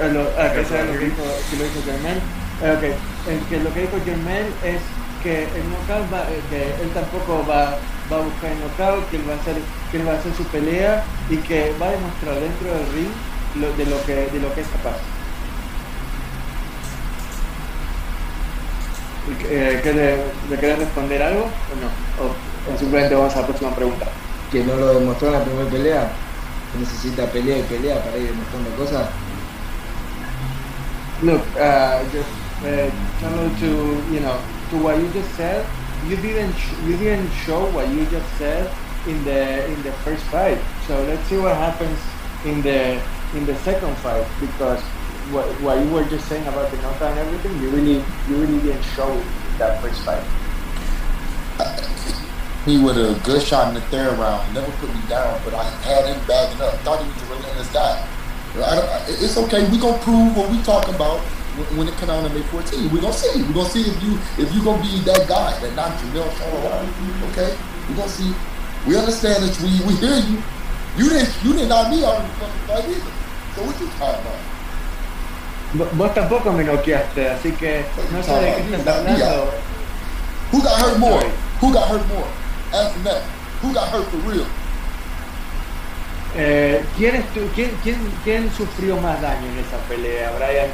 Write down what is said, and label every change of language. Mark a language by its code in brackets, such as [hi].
[es] Que lo que dijo Jermell es que el knockout él tampoco va a buscar el knockout, que él va a hacer su pelea y que va a demostrar dentro del ring lo que es capaz. ¿Le querés responder algo o no? ¿O simplemente vamos a la próxima pregunta? Que no lo demostró en la primera pelea. Necesita pelea y pelea para ir demostrando cosas. [en] Look, Charlo, to what you just said, you didn't show what you just said in the first fight. So let's see what happens in the second fight, because what you were just saying about the knockout and everything, you really didn't show in that first fight. He with a good shot in the third round, never put me down, but I had him bagging up. Thought he was a relentless guy. It's okay. We gonna prove what we talking about when it comes out on May 14. We gonna see. We gonna see if you gonna be that guy that knocked Jermell Charlo out. Okay. We gonna see. We understand that we hear you. You didn't knock me out in the fucking fight either. So what you talking about? [es] Vos tampoco me noqueaste, así que no sé de qué estás hablando. [en] Who got hurt more? Ask that. Who got hurt for real? [es] ¿Quién sufrió más daño en esa pelea, Brian?